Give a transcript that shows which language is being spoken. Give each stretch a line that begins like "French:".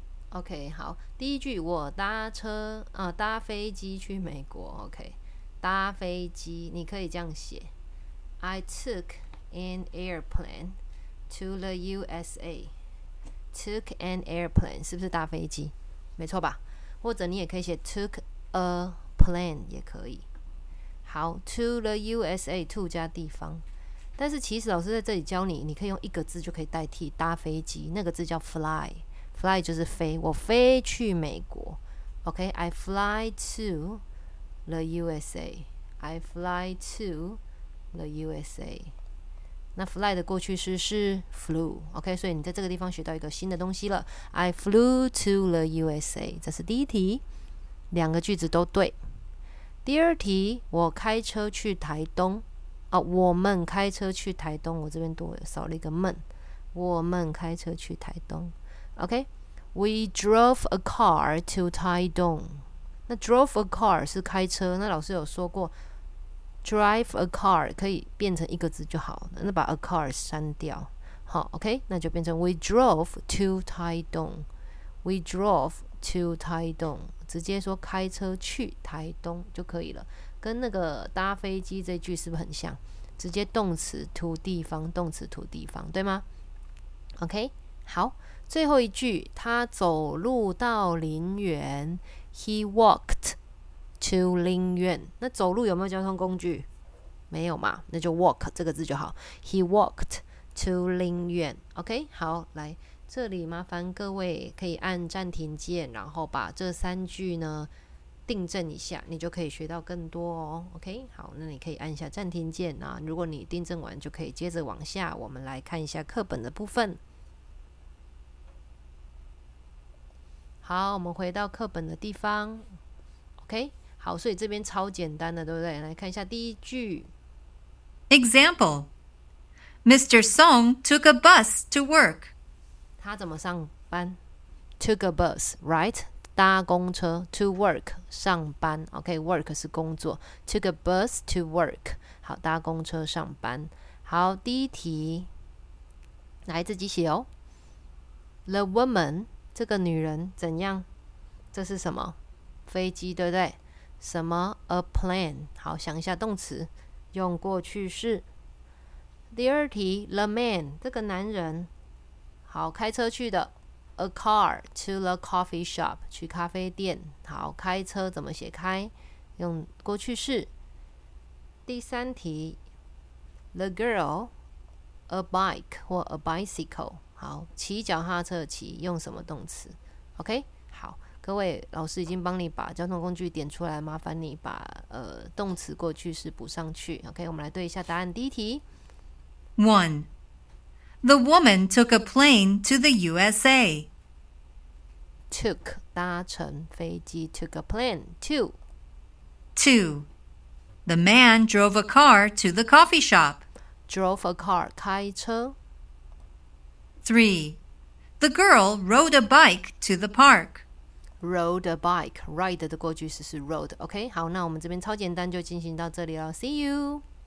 Chinese: OK, 好，第一句我搭车、搭飞机去美国。
English: OK,
Chinese: 搭飞机你可以这样写
English: I took an airplane to the USA. Took an airplane
Chinese: 是不是搭飞机？没错吧？或者你也可以写
English: took a plane
Chinese: 也可以。好，
English: to the USA,
Chinese: to 加地方，但是其实老师在这里教你，你可以用一个字就可以代替搭飞机，那个字叫 fly。 Fly 就是飞，我飞去美国。OK,
English: I fly to the USA. I fly to the USA. 那 fly
Chinese: 的过去式是
English: flew.
Chinese: OK, 所以你在这个地方学到一个新的东西了。
English: I flew to the USA.
Chinese: 这是第一题，两个句子都对。第二题，我开车去台东。哦，我们开车去台东。我这边多少了一个们。我们开车去台东。
English: OK, we drove a car to Taidong.
Chinese: 那
English: drove a car
Chinese: 是开车，那老师有说过
English: drive a car
Chinese: 可以变成一个字就好，那把 a car 删掉。
English: 好， OK,
Chinese: 那就变成
English: we drove to Taidong. We drove to Taidong.
Chinese: 直接说开车去台东就可以了，跟那个搭飞机这句是不是很像？直接动词to地方，动词to地方，对吗？ OK, 好，最后一句，他走路到林园。
English: He walked to 林园。
Chinese: 那走路有没有交通工具？没有嘛，那就 walk 这个字就好。
English: He walked to 林园。
Chinese: OK, 好，来这里麻烦各位可以按暂停键，然后把这三句呢订正一下，你就可以学到更多哦。 OK, 好，那你可以按下暂停键啊。如果你订正完，就可以接着往下，我们来看一下课本的部分。好，我们回到课本的地方。OK, 好，所以这边超简单的，对不对？来看一下第一句。
English: Example, Mr. Song took a bus to work.
Chinese: 他怎么上班？
English: Took a bus, right?
Chinese: 搭公车
English: to work,
Chinese: 上班。
English: OK, work
Chinese: 是工作，
English: took a bus to work.
Chinese: 好，搭公车上班。好，第一题来自己写哦。
English: The woman,
Chinese: 这个女人怎样？这是什么？飞机，对不对？什么 ？
English: A plane。
Chinese: 好，想一下动词，用过去式。第二题 ，
English: the man，
Chinese: 这个男人，好，开车去的。
English: A car to the coffee shop，
Chinese: 去咖啡店。好，开车怎么写？开，用过去式。第三题
English: ，the girl a bike 或 a bicycle。
Chinese: 好，骑脚踏车骑用什么动词 ？OK, 好，各位老师已经帮你把交通工具点出来，麻烦你把动词过去式补上去。 OK, 我们来对一下答案。第一题
English: ，One, the woman took a plane to the USA. Took
Chinese: 搭乘飞机
English: ，took a plane. Two, two, the man drove a car to the coffee shop. Drove a car
Chinese: 开车。
English: Three, the girl rode a bike to the park. Rode a bike,
Chinese: ride 的过去式是 rode. OK, 好，那我们这边超简单就进行到这里了。
English: See you.